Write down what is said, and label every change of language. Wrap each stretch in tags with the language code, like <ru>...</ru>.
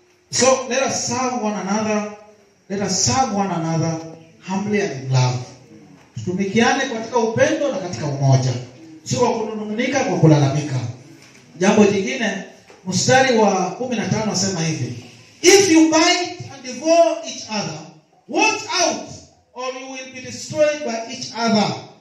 <en>So let us serve one another. Let us serve one another humbly and in love.</en> <sw>Tumikiane katika upendo na katika umoja. Sio kwa kununungunika, kwa kulalamika. Jambo jingine, mstari wa 15 nasema hivi.</sw> <en>If you bite and devour each other, watch out or you will be destroyed by each other.</en>